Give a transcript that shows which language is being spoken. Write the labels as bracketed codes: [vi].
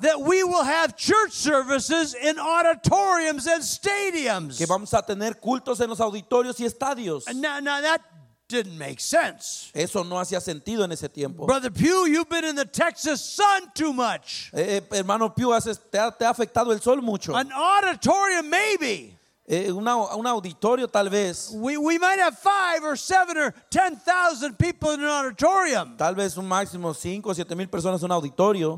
[en] That we will have church services in auditoriums and stadiums. [es] Que vamos a tener cultos en los auditorios y estadios. [en] Now that didn't make sense. [es] Eso no hacía sentido en ese tiempo. [en] Brother Pugh, you've been in the Texas sun too much. [es] Hermano Pugh, te ha afectado el sol mucho. [en] An auditorium maybe. [es] Un auditorio tal vez. [en] We might have 5 or 7 or 10,000 people in an auditorium. [es] Tal vez un máximo 5 o 7,000 personas en un auditorio.